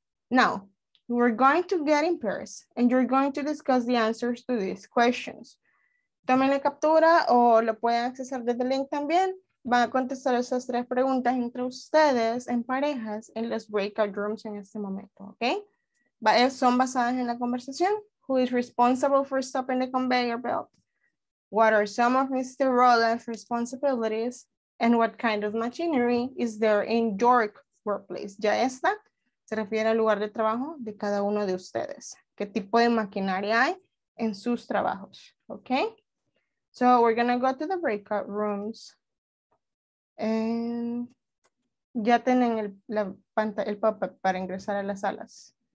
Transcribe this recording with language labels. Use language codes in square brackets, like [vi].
[en] Now, we're going to get in pairs and you're going to discuss the answers to these questions. [es] Tomen la captura o lo pueden accesar desde el link también. Van a contestar esas tres preguntas entre ustedes en parejas en los breakout rooms en este momento. Okay. Son basadas en la conversación. [en] Who is responsible for stopping the conveyor belt? What are some of Mr. Roland's responsibilities? And what kind of machinery is there in your workplace? [es] Ya esta se refiere al lugar de trabajo de cada uno de ustedes. ¿Qué tipo de maquinaria hay en sus trabajos? [en] Okay. So we're going to go to the breakout rooms. And [es] ya tienen el pop-up para ingresar a las salas.